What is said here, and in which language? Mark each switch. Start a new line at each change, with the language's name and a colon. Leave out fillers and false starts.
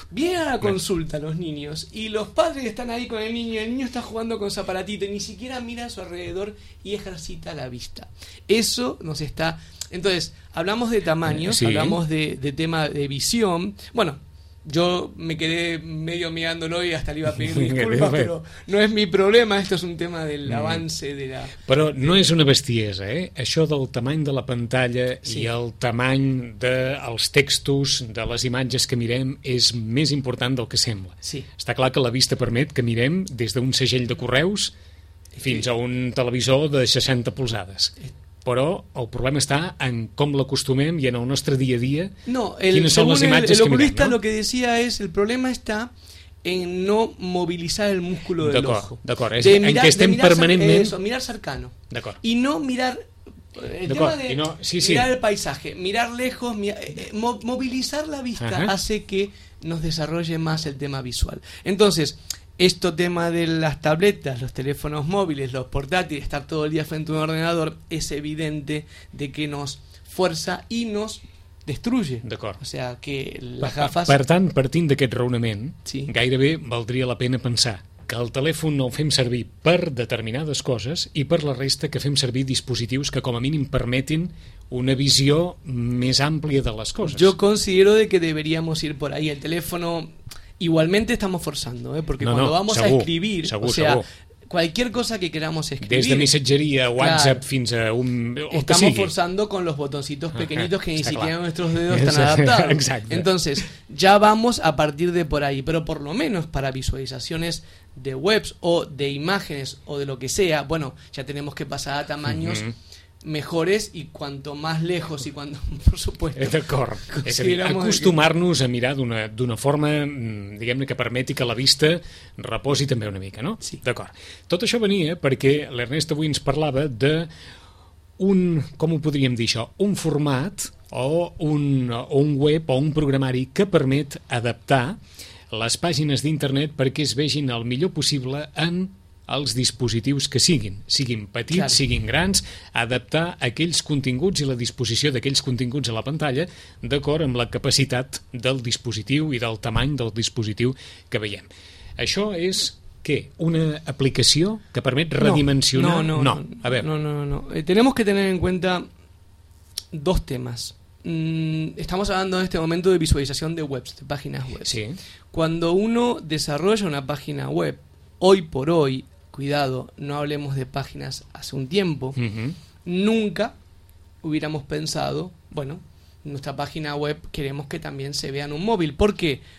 Spanish: Vienen a la consulta los niños y los padres están ahí con el niño está jugando con su aparatito y ni siquiera mira a su alrededor y ejercita la vista. Eso nos está... Entonces, hablamos de tamaños, sí. hablamos de tema de visión. Bueno, yo me quedé medio mirándolo y hasta le iba a pedir disculpas, pero no es mi problema, esto es un tema del avance de la...
Catalan: Però no és una bestiesa, Això del tamany de la pantalla sí. i el tamany dels textos, de les imatges que mirem, és més important del que sembla. Sí. Està clar que la vista permet que mirem des d'un segell de correus fins a un televisor de 60 polzades. Però el problema està en com l'acostumem i en el nostre dia a dia. No, quines són les imatges que mirem.
Spanish: El oculista lo que decía es el problema está en no movilizar el músculo del ojo.
Catalan: D'acord, és en que estem permanentment...
Spanish: Eso, mirar cercano.
Catalan: D'acord.
Spanish: Y no mirar... Mirar el paisaje, mirar lejos, movilizar la vista hace que nos desarrolle más el tema visual. Entonces... Esto tema de las tabletas, los teléfonos móviles, los portátiles, estar todo el día frente a un ordenador, es evidente de que nos fuerza y nos destruye.
Catalan: D'acord.
Spanish: O sea, que las gafas...
Catalan: Per tant, partint d'aquest raonament, sí. gairebé valdria la pena pensar que el telèfon no el fem servir per determinades coses i per la resta que fem servir dispositius que com a mínim permetin una visió més àmplia de les coses.
Spanish: Yo considero de que deberíamos ir por ahí. El teléfono... Igualmente estamos forzando, porque no, cuando no, vamos
Catalan: segur,
Spanish: a escribir,
Catalan: segur,
Spanish: o sea,
Catalan: segur.
Spanish: Cualquier cosa que queramos escribir...
Catalan: Des de missatgeria, WhatsApp, clar, fins a un...
Spanish: Estamos forzando con los botoncitos pequeñitos que ni siquiera nuestros dedos están adaptados.
Catalan: Exacte.
Spanish: Entonces, ya vamos a partir de por ahí, pero por lo menos para visualizaciones de webs o de imágenes o de lo que sea, bueno, ya tenemos que pasar a tamaños... mejores y cuanto más lejos y cuando, por supuesto...
Catalan: D'acord, és a dir, acostumar-nos a mirar d'una forma, diguem-ne, que permeti que la vista reposi també una mica, no? Sí. D'acord. Tot això venia perquè l'Ernest avui ens parlava de un, com ho podríem dir això, un format o un web o un programari que permet adaptar les pàgines d'internet perquè es vegin el millor possible en... els dispositius que siguin petits, clar. Siguin grans, adaptar aquells continguts i la disposició d'aquells continguts a la pantalla d'acord amb la capacitat del dispositiu i del tamany del dispositiu que veiem. Això és què? Una aplicació que permet redimensionar? No.
Spanish: Tenemos que tener en cuenta dos temas. Estamos hablando en este momento de visualización de webs, de páginas web. Sí. Cuando uno desarrolla una página web hoy por hoy, cuidado, no hablemos de páginas hace un tiempo, nunca hubiéramos pensado, bueno, nuestra página web queremos que también se vea en un móvil. ¿Por qué?